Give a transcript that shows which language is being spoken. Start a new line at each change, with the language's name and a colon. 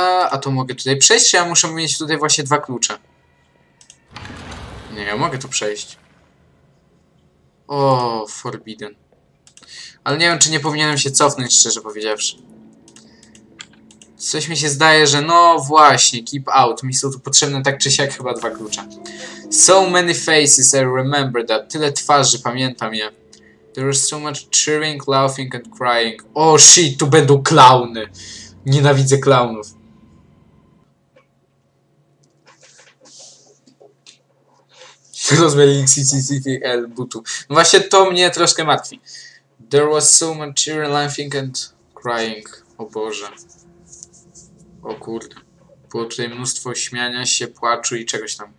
Polish: A to mogę tutaj przejść, czy ja muszę mieć tutaj właśnie dwa klucze? Nie, ja mogę tu przejść. O, forbidden. Ale nie wiem, czy nie powinienem się cofnąć, szczerze powiedziawszy. Coś mi się zdaje, że no właśnie,
English: keep out.
Polish: Mi są tu potrzebne tak czy siak chyba dwa klucze.
English: So many faces I remember that.
Polish: Tyle twarzy, pamiętam je.
English: There is so much cheering, laughing and crying. Oh shit,
Polish: tu będą klauny. Nienawidzę klaunów. Rozmiar XXXL butu. No właśnie to mnie troszkę martwi.
English: There was so much cheering, laughing and crying.
Polish: O Boże. O kurde. Było tutaj mnóstwo śmiania się, płaczu i czegoś tam.